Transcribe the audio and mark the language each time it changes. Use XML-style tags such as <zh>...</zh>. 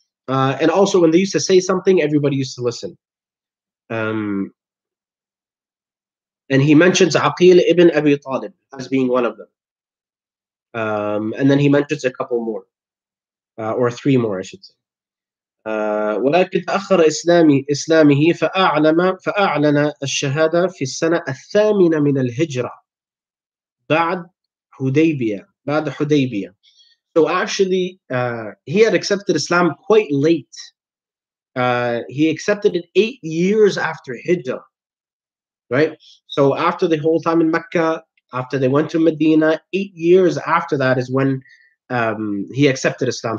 <en>And also when they used to say something, everybody used to listen. And he mentions Aqil ibn Abi Talib as being one of them. And then he mentions a couple more. Or three more, I should say.</en> <ar>ولكن تأخر إسلامه فأعلن الشهادة في السنة الثامنة من الهجرة بعد حديبية.</ar> <en>So actually, he had accepted Islam quite late. He accepted it 8 years after Hijrah, right? So after the whole time in Mecca, after they went to Medina, 8 years after that is when he accepted Islam.</en>